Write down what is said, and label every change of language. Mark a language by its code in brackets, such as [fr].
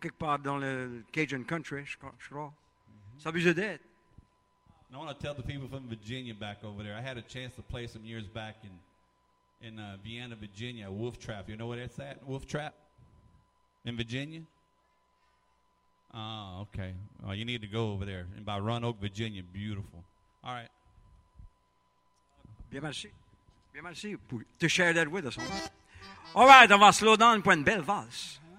[fr] Quelque part dans le Cajun country, je crois. Ça abuse d'être. [en] I want to tell the people from Virginia back over there. I had a chance to play some years back in Vienna, Virginia, Wolf Trap. You know where that's at, Wolf Trap? In Virginia? Oh, okay. Well, you need to go over there. And by Roanoke, Virginia, beautiful. All right. [fr] Bien merci pour [en] to share that with us. All right, [fr] on va [en] slow down [fr] pour une belle valse.